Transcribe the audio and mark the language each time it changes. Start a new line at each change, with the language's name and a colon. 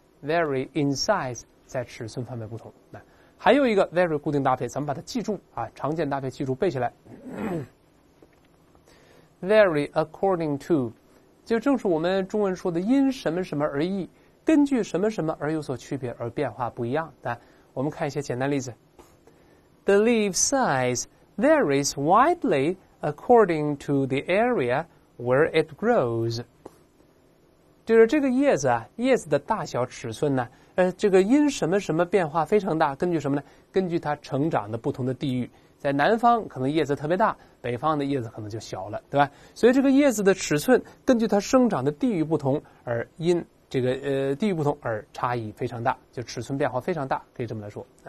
English: Vary in size
Chinese: 在尺寸方面不同。那还有一个 very 固定搭配，咱们把它记住啊，常见搭配记住背起来。 Vary according to， 就正是我们中文说的因什么什么而异，根据什么什么而有所区别，而变化不一样。那我们看一些简单例子。
English: The leaf size varies widely according to the area where it grows。
Chinese: 就是这个叶子啊，叶子的大小尺寸呢，这个因什么什么变化非常大，根据什么呢？根据它成长的不同的地域，在南方可能叶子特别大，北方的叶子可能就小了，对吧？所以这个叶子的尺寸根据它生长的地域不同而因这个地域不同而差异非常大，就尺寸变化非常大，可以这么来说。